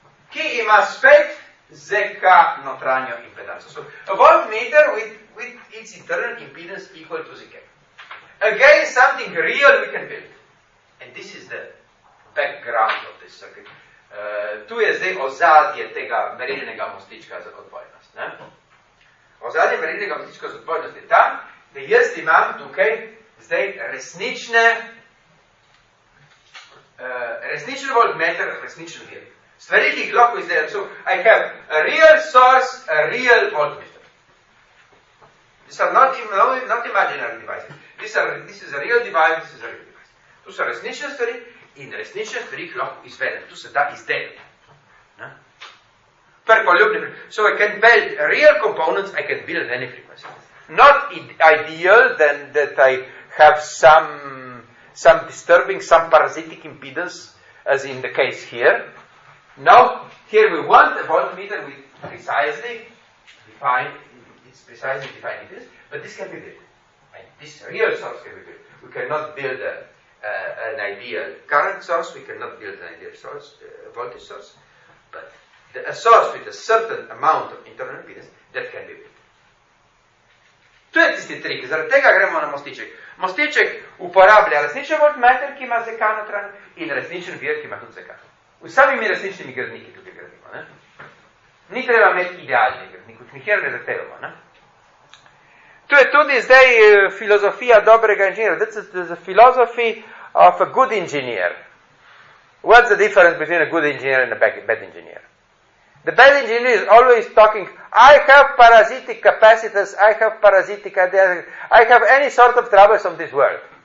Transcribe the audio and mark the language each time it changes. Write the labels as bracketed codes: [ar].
[sl] Ki ima spet ZK notranjo impedanco. [en] So a voltmeter with its internal impedance equal to ZK. Again, something real we can build. And this is the background of this circuit. [sl] Tu je zdaj ozadje tega merilnega mostička za odbojnost. Ne? Ozadje merilnega mostička za odbojnost je ta, da jaz imam tukaj zdaj resnične voltmeter, resničen vir. Stvari ti lahko izdelam. [en] So, I have a real source, a real voltmeter. These are not imaginary devices. This is a real device. [sl] Tu so resnične stvari in resnične stvari jih lahko izvedem. Tu se da izdelati. Prepoljubni. [en] So I can build real components, I can build any frequency. Not ideal, then that I have some disturbing, some parasitic impedance, as in the case here. Now, here we want a voltmeter with precisely defined, it's precisely defined it is, but this can be built. And this real source can be built. We cannot build an ideal current source, we cannot build an ideal source, voltage source, but a source with a certain amount of internal impedance, that can be built. [sl] To je tisti trik, zaradi tega gremo na mostiček. Mostiček uporablja resničen voltmeter, ki ima ZK notran, in resničen vir, ki ima tudi ZK. V samimi resničnimi gradniki tukaj gradimo. Ne? Ni treba imeti idealni gradnik, kot nikjer ne zahtevamo. To je tudi zdaj filozofija dobrega inženjera. [en] This is the philosophy of a good engineer. What's the difference between a good engineer and a bad engineer? The bad engineer is always talking, I have parasitic capacitors, I have parasitic ideas, I have any sort of troubles on this world.